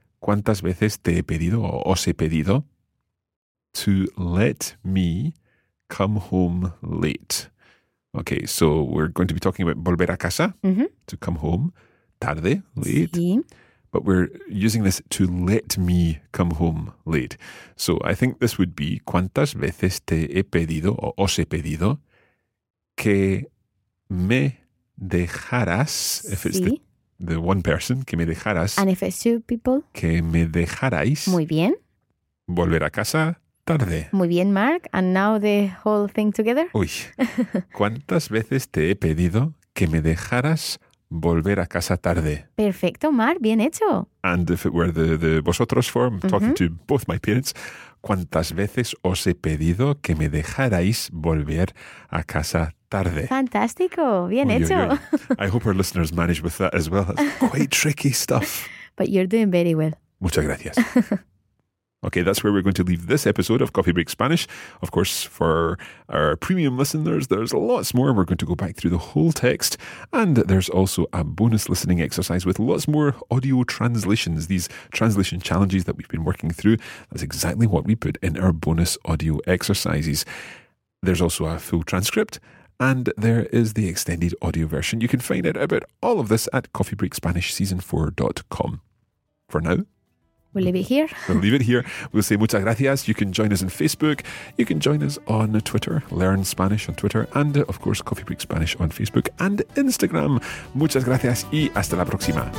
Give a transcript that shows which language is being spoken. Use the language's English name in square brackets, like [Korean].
[Spanish] ¿Cuántas veces te he pedido o os he pedido [English] to let me come home late? Okay, so we're going to be talking about [Spanish] volver a casa, [English] to come home tarde, late. [Spanish] Sí. [English] But we're using this to let me come home late. So I think this would be, [Spanish] ¿cuántas veces te he pedido o os he pedido que me dejaras, [English] if it's the one person, [Spanish] que me dejaras. [English] And if it's two people. [Spanish] Que me dejarais. Muy bien. Volver a casa tarde. Muy bien, Mark. [English] And now the whole thing together. [Spanish] Uy. ¿Cuántas veces te he pedido que me dejaras volver a casa tarde? Perfecto, Mark. Bien hecho. [English] And if it were the vosotros form, talking to both my parents. [Spanish] ¿Cuántas veces os he pedido que me dejarais volver a casa tarde? Fantástico. Bien hecho. [English] I hope our listeners manage with that as well. That's quite tricky stuff. But you're doing very well. [Spanish] Muchas gracias. [English] Okay, that's where we're going to leave this episode of Coffee Break Spanish. Of course, for our premium listeners, there's lots more. We're going to go back through the whole text. And there's also a bonus listening exercise with lots more audio translations, these translation challenges that we've been working through. That's exactly what we put in our bonus audio exercises. There's also a full transcript, and there is the extended audio version. You can find out about all of this at coffeebreakspanishseason4.com. For now, we'll leave it here. We'll leave it here. We'll say [Spanish] muchas gracias. [English] You can join us on Facebook. You can join us on Twitter, Learn Spanish on Twitter, and of course, Coffee Break Spanish on Facebook and Instagram. [Spanish] Muchas gracias y hasta la próxima.